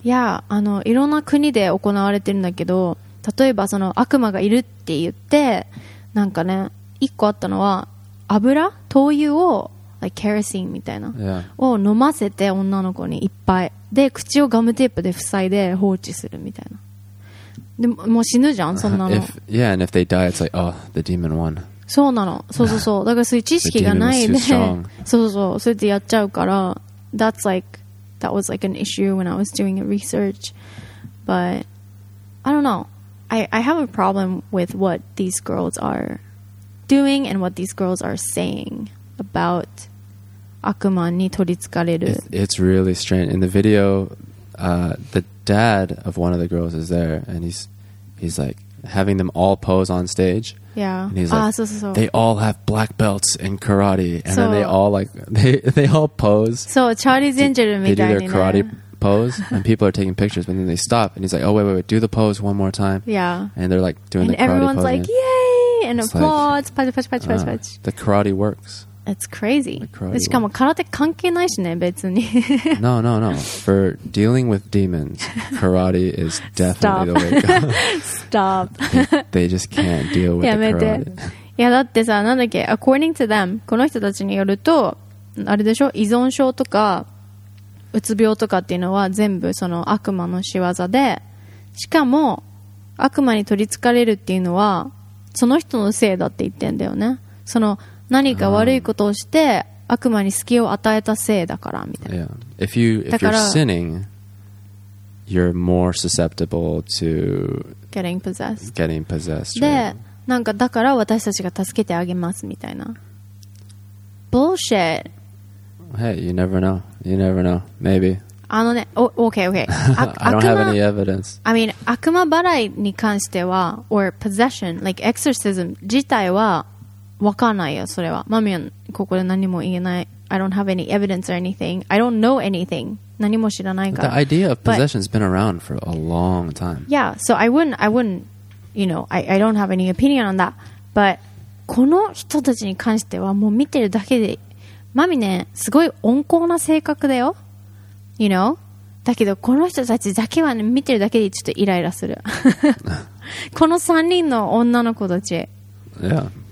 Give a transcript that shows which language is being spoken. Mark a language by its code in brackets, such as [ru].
[ja] いや、あのいろんな国で行われてるんだけど、例えばその悪魔がいるって言ってなんかね一個あったのは油灯油を [en] like kerosene [ja] みたいな、 [en] yeah. [ja] を飲ませて女の子にいっぱいで口をガムテープで塞いで放置するみたいな。でもう死ぬじゃんそんなの。 [en] If, yeah, and if they die, it's like, oh, the demon won. [ja] そうなの。そうそうそう。だからそういう知識がないで、 [en] the demon was too strong. [ja] そうそうそう。そうやってやっちゃうから、 [en] that's like, that was like an issue when I was doing research. But, I don't know. I have a problem with what these girls are doing and what these girls are saying about [ja] 悪魔に取り憑かれる。 [en] It's really strange. In the video,the dad of one of the girls is there and he's like having them all pose on stage. Yeah. And he's like, ah, so, so, so. They all have black belts in karate and so, then they all like, they all pose. So Charlie's injured me. They do their karate pose and people are taking pictures and then they stop and he's like, oh, wait, do the pose one more time. Yeah. And they're like doing and the karate pose. And everyone's like, yay! And applause. Punch, punch, punch, punch, punch. The karate works. It's crazy. [ja] でしかも空手関係ないしね別に。 [en] No, no, no. For dealing with demons, karate is definitely the way to go. Stop. They just can't deal with [ja] karate. やめて。いやだってさ、なんだっけ ? [en] According to them, [ja] この人たちによると、あれでしょ? 依存症とか、うつ病とかっていうのは全部その悪魔の仕業で、しかも悪魔に取り憑かれるっていうのは、その人のせいだって言ってんだよね。その何か悪いことをして悪魔に隙を与えたせいだからみたいな。 [en] Yeah. If you're sinning, you're more susceptible to getting possessed. Right? [ja] で、なんかだから私たちが助けてあげますみたいな。 [en] Bullshit. Hey, you never know. You never know. Maybe. [ja] あのね、okay. [en] I don't have any evidence. I mean, [ja] 悪魔払いに関しては、 [en] or possession, like exorcism 自体は。 [ja] わかんないよ、それは。マミアン、ここで何も言えない。 [en] I don't have any evidence or anything. I don't know anything. [ja] 何も知らないから。 [en] The idea of possession has been around for a long time. Yeah, so I wouldn't, you know, I don't have any opinion on that. [ja] But この人たちに関しては、もう見てるだけで、マミね、すごい温厚な性格だよ。 [en] You know? [ja] だけど、この人たちだけはね、見てるだけでちょっとイライラする。この三人の女の子たち。 [en] Yeah.